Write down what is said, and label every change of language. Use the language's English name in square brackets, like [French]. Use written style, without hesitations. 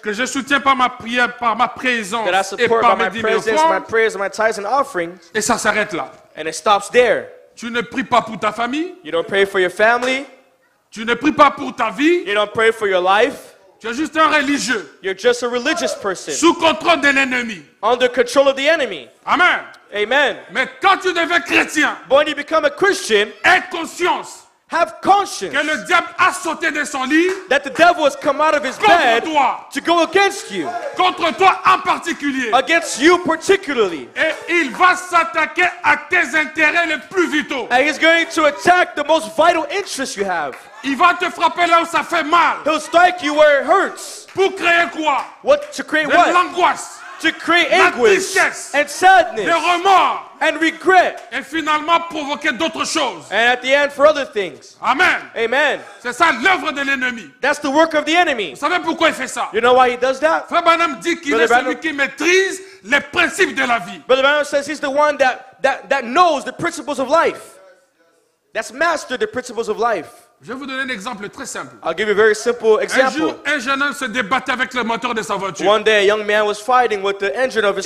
[French] Que je soutiens par ma prière, par ma présence. [English] That I support [French] et par [English] by my presence, my prayers, my tithes and offerings. [French] Et ça s'arrête là. [English] And it stops there. [French] Tu ne pries pas pour ta famille. [English] You don't pray for your family. [French] Tu ne pries pas pour ta vie. [English] You don't pray for your life. [French] Tu es juste un religieux. [English] You're just a religious person. [French] Sous contrôle de l'ennemi. [English] Under control of the enemy. Amen. Amen. [French] Mais quand tu deviens chrétien. [English] But when you become a Christian. [French] Aie conscience. [English] Have conscience [French] que le diable a sauté de son lit, [English] that the devil has come out of his bed [French] toi, [English] to go against you. [French] Contre toi en particulier. [English] Against you particularly. [French] Et il va s'attaquer à tes intérêts les plus vitaux. [English] And he's going to attack the most vital interests you have. [French] Il va te frapper là où ça fait mal. [English] He'll strike you where it hurts. [French] Pour créer quoi? [English] What, to create [French] de [English] what? [French] L'angoisse. [English] To create anguish and sadness [French] remords, [English] and regret [French] et finalement provoquer d'autres choses. [English] And at the end for other things. Amen. Amen. [French] C'est ça, l'œuvre de l'ennemi. [English] That's the work of the enemy. [French] Vous savez pourquoi il fait ça? [English] You know why he does that? [French] Frère Branham dit qu'il est celui qui maîtrise les principes de la vie. [English] Brother Branham says he's the one that knows the principles of life. That's mastered the principles of life. [French] Je vais vous donner un exemple très simple. [English] I'll give you a very simple example. [French] Un jour, un jeune homme se débattait avec le moteur de sa voiture. [English] One day, a young man was fighting with the engine of his